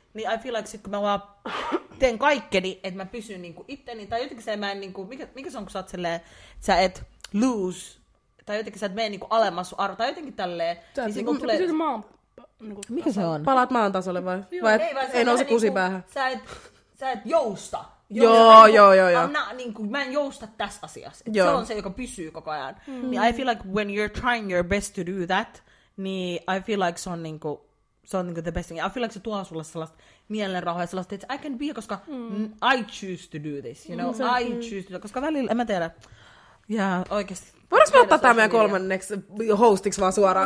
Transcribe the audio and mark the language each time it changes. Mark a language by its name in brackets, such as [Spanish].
[Finnish] Niin [English] I feel like [Finnish] sit kun mä vaan teen kaikkeni, että mä pysyn niinku itteni, tai jotenkin se mä en niinku, mikä se on kun sä oot silleen, että sä et lose, tai jotenkin sä et mene niinku alemmas sun arvo, tai jotenkin tälleen. Sä niin, niinku, tulee... pysyt maan, niinku, mikä se on? Palaat maan tasolle vai? Joo, vai, et, ei, vai ei nouse niinku, kusipäähän? Sä et jousta. Joo. Mä en jousta tässä asiassa. Se on se, joka pysyy koko ajan. [English] Niin I feel like when you're trying your best to do that, niin I feel like [Finnish] se on niinku... Se on niin kuin [English] the best thing. I feel like [Finnish] se tuo sulle sellaista mielenrauhaa ja sellaista, että [English] I can be, koska I choose to do this, you know? Exactly. I choose to do, [Finnish] koska välillä, en mä tiedä. Ja oikeesti. Voidaanko me ottaa tää meidän kolmanneksi hostiksi vaan suoraan?